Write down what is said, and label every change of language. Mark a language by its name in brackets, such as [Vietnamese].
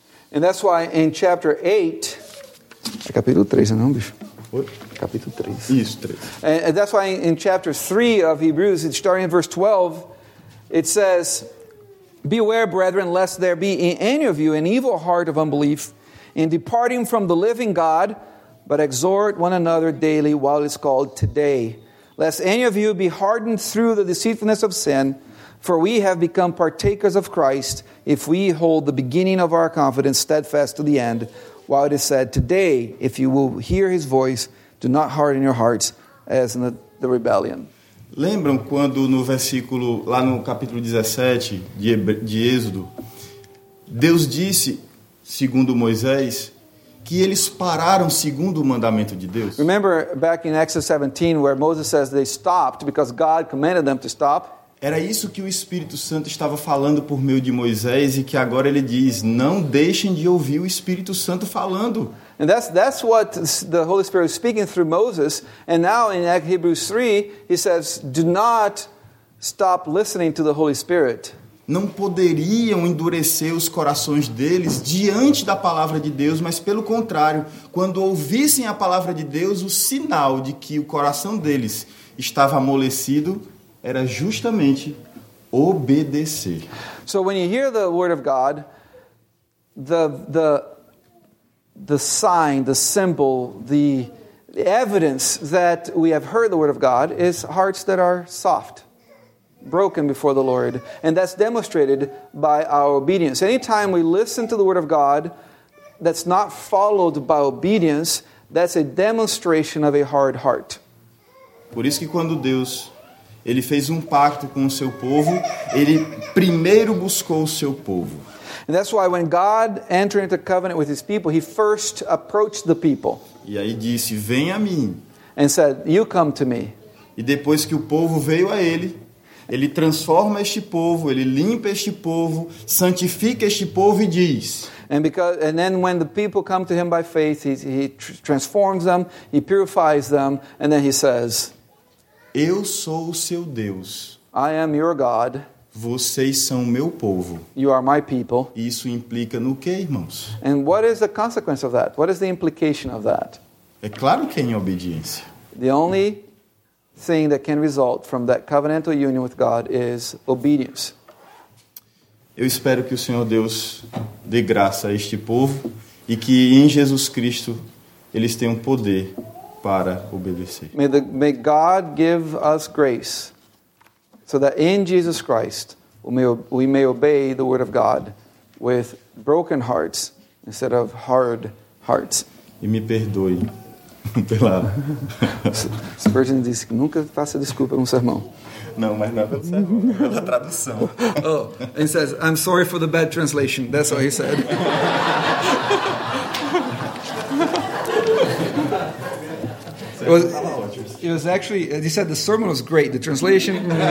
[English] And that's why in chapter 8, [Portuguese] é capítulo 3, não, bicho? Capítulo 3. Isso, 3. [English] And that's why in chapter 3 of Hebrews, starting in verse 12, it says, "Beware, brethren, lest there be in any of you an evil heart of unbelief in departing from the living God, but exhort one another daily while it's called today, lest any of you be hardened through the deceitfulness of sin, for we have become partakers of Christ if we hold the beginning of our confidence steadfast to the end, while it is said, today, if you will hear his voice, do not harden your hearts as in the rebellion." [Portuguese] Lembram quando no versículo, lá no capítulo 17 de Êxodo, Deus disse, segundo Moisés, que eles pararam segundo o mandamento de Deus? [English] Remember back in Exodus 17, where Moses says they stopped because God commanded them to stop? [Portuguese] Era isso que o Espírito Santo estava falando por meio de Moisés e que agora ele diz, não deixem de ouvir o Espírito Santo falando. [English] And that's what the Holy Spirit is speaking through Moses. And now in Hebrews 3, he says, do not stop listening to the Holy Spirit. [Portuguese] Não poderiam endurecer os corações deles diante da palavra de Deus, mas pelo contrário, quando ouvissem a palavra de Deus, o sinal de que o coração deles estava amolecido era justamente obedecer. [English] So when you hear the word of God, the sign, the symbol, the evidence that we have heard the word of God is hearts that are soft, broken before the Lord, and that's demonstrated by our obedience. Anytime we listen to the word of God that's not followed by obedience, that's a demonstration of a hard heart. [Portuguese] Por isso que quando Deus Ele fez um pacto com o seu povo. Ele primeiro buscou o seu povo. [English] And that's why when God entered into covenant with his people, he first approached the people. [Portuguese] E aí disse, vem a mim. [English] And said, you come to me. [Portuguese] E depois que o povo veio a ele, ele transforma este povo, ele limpa este povo, santifica este povo e diz. [English] And then when the people come to him by faith, he transforms them, he purifies them, and then he says, [Portuguese] eu sou o seu Deus. [English] I am your God. [Portuguese] Vocês são o meu povo. [English] You are my people. [Portuguese] Isso implica no quê, irmãos? [English] And what is the consequence of that? What is the implication of that? [Portuguese] É claro que é em obediência. [English] The only thing that can result from that covenantal union with God is obedience. [Portuguese] Eu espero que o Senhor Deus dê graça a este povo e que em Jesus Cristo eles tenham poder para obedecer. [English] May God give us grace so that in Jesus Christ we may obey the word of God with broken hearts instead of hard hearts. [Portuguese] E me perdoe pela Spurgeon disse que nunca faça desculpa num sermão. Não, mas não pelo sermão, pela tradução. [English] Oh, he says, I'm sorry for the bad translation. That's what he said. It was actually, he said the sermon was great, the translation.